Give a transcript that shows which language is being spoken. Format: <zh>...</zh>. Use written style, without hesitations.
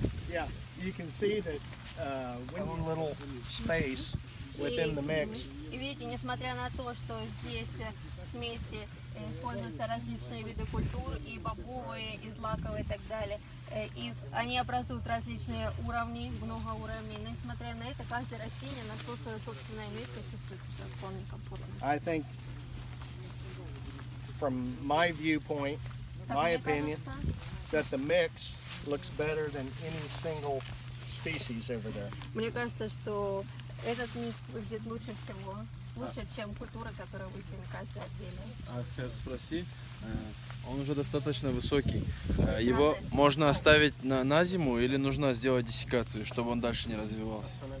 <en>Yeah, you can see that one little space within the mix.</en> <ru>И видите, несмотря на то, что здесь в смеси используются различные виды культур, и бобовые, и злаковые, и так далее, и они образуют различные уровни, много уровней, но несмотря на это, каждое растение нашло свое собственное место, чувствует себя вполне комфортно.</ru> <en>I think, from my viewpoint, my opinion, that the mix looks better than any single species over there.</en> <ru>Мне кажется, что этот мик выглядит лучше всего, лучше, чем культура, которую вы каждый отдельно. А спроси, он уже достаточно высокий. Его можно оставить на зиму или нужно сделать диссекацию, чтобы он дальше не развивался?</ru>